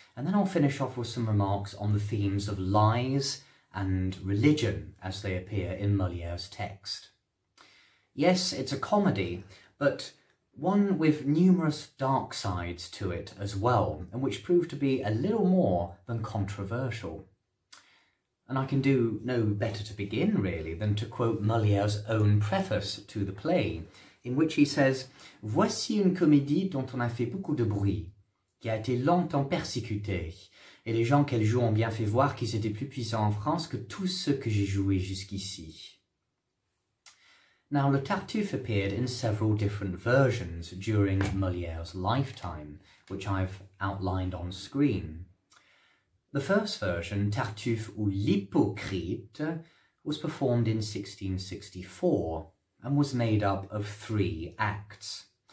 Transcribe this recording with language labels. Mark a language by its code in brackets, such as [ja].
[en] And then I'll finish off with some remarks on the themes of lies and religion as they appear in Molière's text. Yes, it's a comedy, but one with numerous dark sides to it as well, and which proved to be a little more than controversial. And I can do no better to begin, really, than to quote Molière's own preface to the play, in which he says, [fr] "Voici une comédie dont on a fait beaucoup de bruit, qui a été longtemps persécutée, et les gens qu'elle joue ont bien fait voir qu'ils étaient plus puissants en France que tous ceux que j'ai joués jusqu'ici." [en] Now, Le Tartuffe appeared in several different versions during Molière's lifetime, which I've outlined on screen. The first version, Tartuffe ou l'Hypocrite, was performed in 1664 and was made up of three acts.